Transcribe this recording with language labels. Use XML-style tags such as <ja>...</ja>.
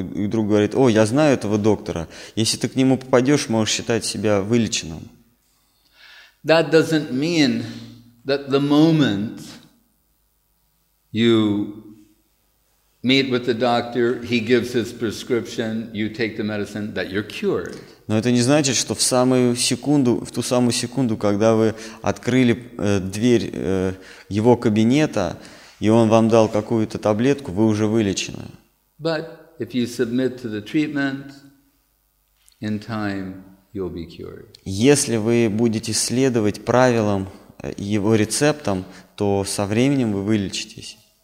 <ru>И друг говорит, о, я знаю этого доктора. Если ты к нему попадешь, можешь считать себя вылеченным.</ru> <en>That doesn't mean that the moment you meet with the doctor, he gives his prescription, you take the medicine, that you're cured.</en> <ru>Но это не значит, что в ту самую секунду, когда вы открыли дверь его кабинета, и он вам дал какую-то таблетку, вы уже вылечены.</ru> <en>But if you submit to the treatment, in time you'll be cured.</en> <ru>Если вы будете следовать правилам его рецептам, то со временем вы вылечитесь.</ru>